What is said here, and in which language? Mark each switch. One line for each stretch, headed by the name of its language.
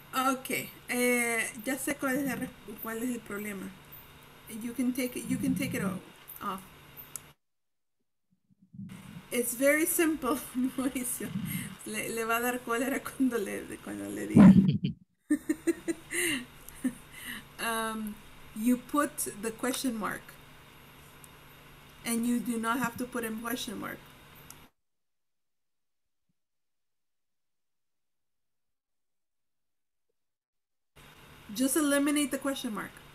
Spanish: Okay, ya sé cuál es el problema.
English: You can take it off. It's very simple, Mauricio.
Spanish: Le va a dar cólera cuando le diga.
English: You put the question mark. And you do not have to put in question mark. Just eliminate the question mark.